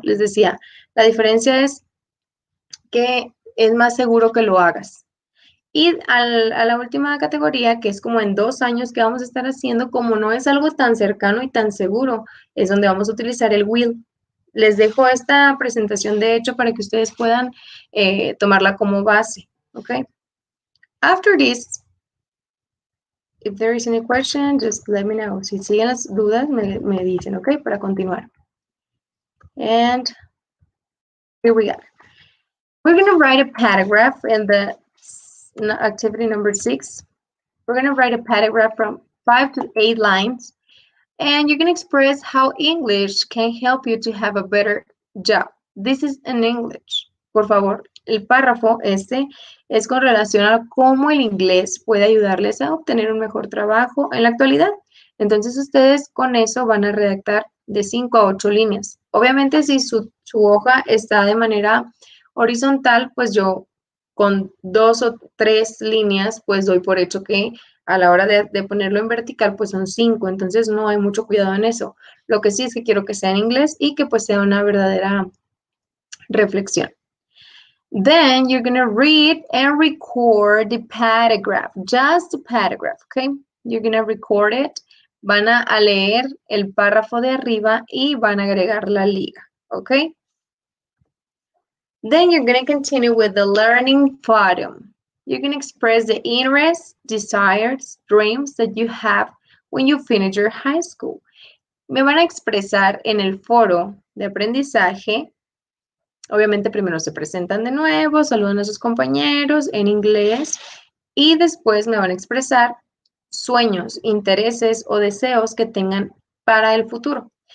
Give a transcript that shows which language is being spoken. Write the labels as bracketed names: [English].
[Spanish] Les decía, la diferencia es que es más seguro que lo hagas. Y a la última categoría, que es como en 2 años, ¿qué vamos a estar haciendo? Como no es algo tan cercano y tan seguro, es donde vamos a utilizar el will. Les dejo esta presentación, de hecho, para que ustedes puedan tomarla como base. [English] Okay. After this, if there is any question, just let me know. [Spanish] Si siguen las dudas, me dicen, okay, para continuar. [English] And here we are. We're going to write a paragraph in the activity number 6. We're going to write a paragraph from 5 to 8 lines. And you can express how English can help you to have a better job. This is in English. [Spanish] Por favor, el párrafo este es con relación a cómo el inglés puede ayudarles a obtener un mejor trabajo en la actualidad. Entonces, ustedes con eso van a redactar de 5 a 8 líneas. Obviamente, si su hoja está de manera horizontal, pues yo con 2 o 3 líneas, pues doy por hecho que a la hora de ponerlo en vertical, pues son 5. Entonces, no hay mucho cuidado en eso. Lo que sí es que quiero que sea en inglés y que pues sea una verdadera reflexión. [English] Then you're going to read and record the paragraph, just the paragraph, okay? You're going to record it. [Spanish] Van a leer el párrafo de arriba y van a agregar la liga, okay? [English] Then you're going to continue with the learning forum. You're going to express the interests, desires, dreams that you have when you finish your high school. [Spanish] Me van a expresar en el foro de aprendizaje. Obviamente, primero se presentan de nuevo, saludan a sus compañeros en inglés y después me van a expresar sueños, intereses o deseos que tengan para el futuro.